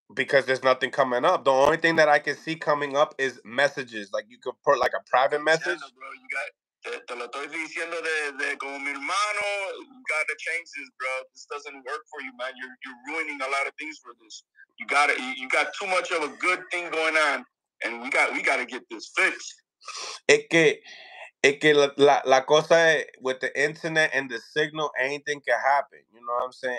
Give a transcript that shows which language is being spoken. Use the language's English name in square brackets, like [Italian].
[English] Because there's nothing coming up. The only thing that I can see coming up is messages. Like you could put like a private message. Yeah, no, bro, you got it. [Spanish] Te lo estoy diciendo de como mi hermano. [English] Gotta change this, bro. This doesn't work for you, man. You're ruining a lot of things for this. You got it. You got too much of a good thing going on, and we got to get this fixed. [Spanish] Es que la cosa es, [English] with the internet and the signal, anything can happen. You know what I'm saying?